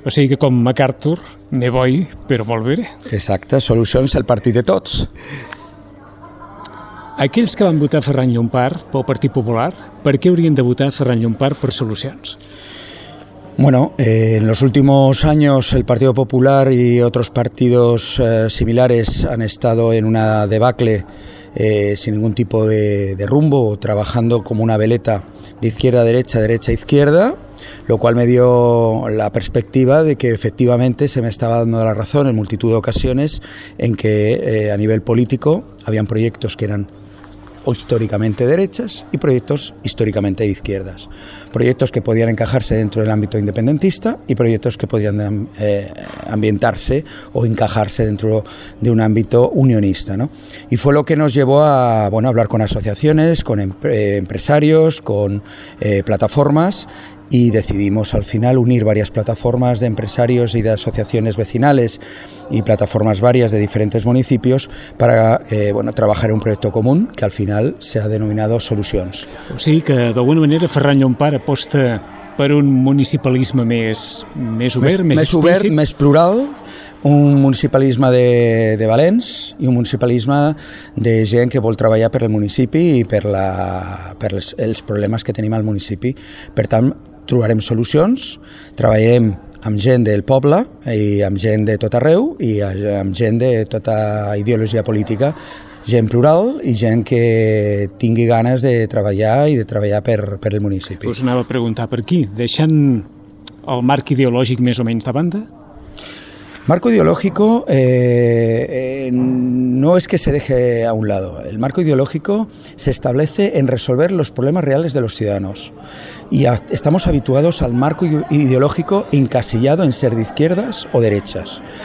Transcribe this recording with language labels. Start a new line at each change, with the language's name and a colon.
Catalan: O sigui que com MacArthur,
Spanish: me voy,
Catalan: però molt bé. Exacte, Solucions, el partit de tots. Aquells que van votar Ferran Llompart pel Partit Popular, per què haurien de votar Ferran Llompart per Solucions?
Spanish: Bueno, en los últimos años el Partido Popular y otros partidos similares han estado en una debacle sin ningún tipo de rumbo, trabajando como una veleta de izquierda a derecha, derecha a izquierda, lo cual me dio la perspectiva de que efectivamente se me estaba dando la razón en multitud de ocasiones en que a nivel político habían proyectos que eran o históricamente derechas y proyectos históricamente de izquierdas. Proyectos que podían encajarse dentro del ámbito independentista y proyectos que podían ambientarse o encajarse dentro de un ámbito unionista, ¿no? Y fue lo que nos llevó a, bueno, a hablar con asociaciones, con empresarios, con plataformas, y decidimos al final unir varias plataformas de empresarios y de asociaciones vecinales y plataformas varias de diferentes municipios para bueno, trabajar en un proyecto común que al final se ha denominado Solucions.
Catalan: O sigui que d'alguna manera Ferran Llompart aposta per un municipalisme més obert, més obert, més plural, un municipalisme de valents i un municipalisme de gent que vol treballar per el municipi i per els problemes que tenim al municipi. Per tant, trobarem solucions, treballarem amb gent del poble i amb gent de tot arreu i amb gent de tota ideologia política, gent plural i gent que tingui ganes de treballar i de treballar per el municipi. Us anava a preguntar per qui, deixant el marc ideològic més o menys de banda?
Spanish: Marco ideológico no es que se deje a un lado. El marco ideológico se establece en resolver los problemas reales de los ciudadanos. Y estamos habituados al marco ideológico encasillado en ser de izquierdas o derechas.